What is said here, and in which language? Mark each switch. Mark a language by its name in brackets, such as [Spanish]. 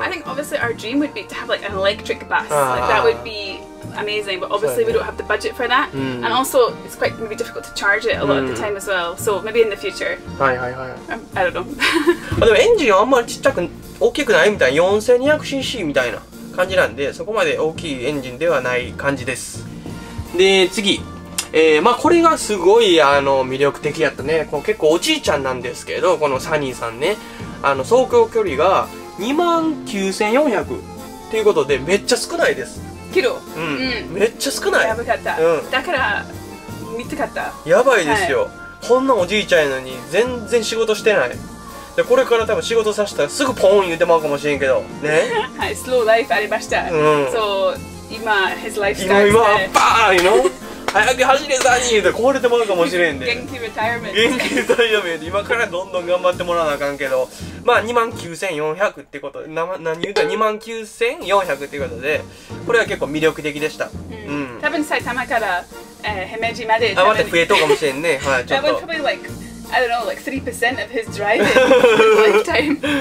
[English] like, I think obviously our dream would be to have like an electric bus、like, that would be amazing, but obviously、ね、we don't have the budget for that、うん、and also it's quite maybe difficult to charge it a lot of the time as well、うん、so maybe in the future、 [Japanese] はいはいはい、 [English] I don't know [Japanese] でもエンジンはあんまりちっちゃく大きくないみたいな、 4200cc みたいな感じなんで、そこまで大きいエンジンではない感じです。で次、まあ、これがすごいあの魅力的やったね。こう結構おじいちゃんなんですけど、このサニーさんね、あの走行距離が29,400っていうことで、めっちゃ少ないですキロ、うん、うん、めっちゃ少ない、やばかった、うん、だから見つかったやばいですよ、はい、こんなおじいちゃんやのに全然仕事してない。でこれから多分仕事させたらすぐポーン言ってまうかもしれんけどね。はい、スローライフありました、うん、そう今 [English] his life starts [Japanese] 今バーン、 [English] you know? [Japanese] 早く走れサニーって壊れてもらうかもしれんで、元気リタイアメント、元気リタイアメント、今からどんどん頑張ってもらわなあかんけど、まあ29,400ってこと、何言うたら29,400ってことで、これは結構魅力的でした。うん、うん、多分埼玉から、姫路まで、あ、待って、増えとうかもしれんね。はい、ちょっと [English] I don't know, like 3% of his driving his lifetime.